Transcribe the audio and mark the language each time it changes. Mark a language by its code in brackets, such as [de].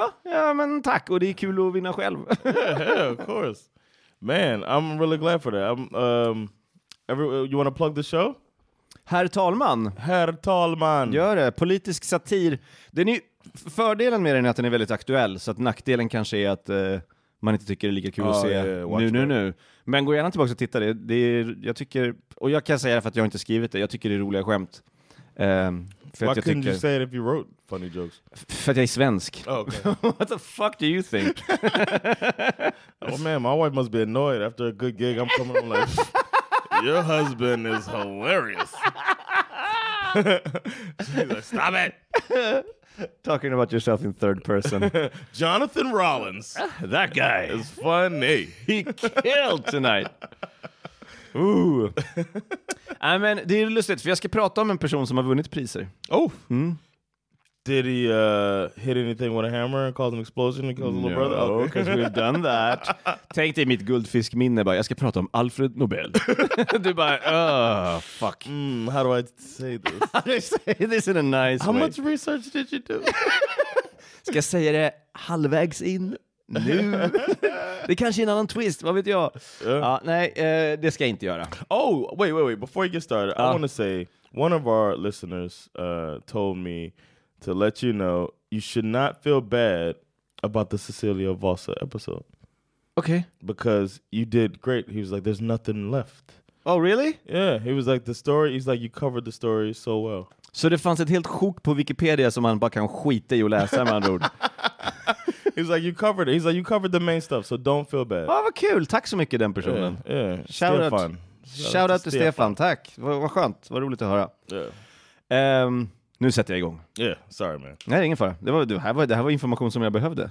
[sv] Ja, men tack, och det är kul att vinna själv. [en] Yeah, of course. Man, I'm really glad for that. You want to plug the show? [sv] Herr talman. Gör det. Politisk satir. Fördelen med den är att den är väldigt aktuell. Så att nackdelen kanske är att man inte tycker det är lika kul att se nu. Men gå gärna tillbaka och titta. Jag tycker, och jag kan säga det för att jag inte skrivit det. Jag tycker det är roliga skämt. [en] För why couldn't you say it if you wrote funny jokes? [sv] För att jag är svensk. [en] Oh, okay. What the fuck do you think? Oh man, my wife must be annoyed after a good gig. I'm coming home like, your husband is hilarious. She's like, stop it. Talking about yourself in third person. Jonathan Rollins. That guy. Is funny. He killed tonight. Ooh. [sv] Nej, men det är lustigt, för jag ska prata om en person som har vunnit priser. [en] Oh! Mm. Did he hit anything with a hammer and cause an explosion and cause a little brother? No, because we've done that. [sv] Tänk dig mitt guldfiskminne, bara, jag ska prata om Alfred Nobel. Du bara, oh, fuck. [en] Mm, how do I say this? How do I say this in a nice how way? How much research did you do? [sv] Ska jag säga det halvvägs in? Nu? Det kanske är en annan twist, vad vet jag. Nej, det ska jag inte göra. [en] Oh, wait. Before you get started, I want to say, one of our listeners told me to let you know, you should not feel bad about the Cecilia Vossa episode. Okay. Because you did great. He was like, there's nothing left. Oh, really? Yeah, he was like, the story, he's like, you covered the story so well. [sv] Så det fanns ett helt sjok på Wikipedia som man bara kan skita i och läsa med andra ord. [en] He's like, you covered it. He's like, you covered the main stuff, so don't feel bad. [sv] Ah, vad kul. Tack så mycket, den personen. [en] Yeah. Stefan. Shout out to Stefan. [sv] Tack. Vad skönt. Vad roligt att höra. [en] Yeah. [sv] Nu sätter jag igång. [en] Yeah, sorry man. [sv] Nej, det är ingen fara. Det här var information som jag behövde.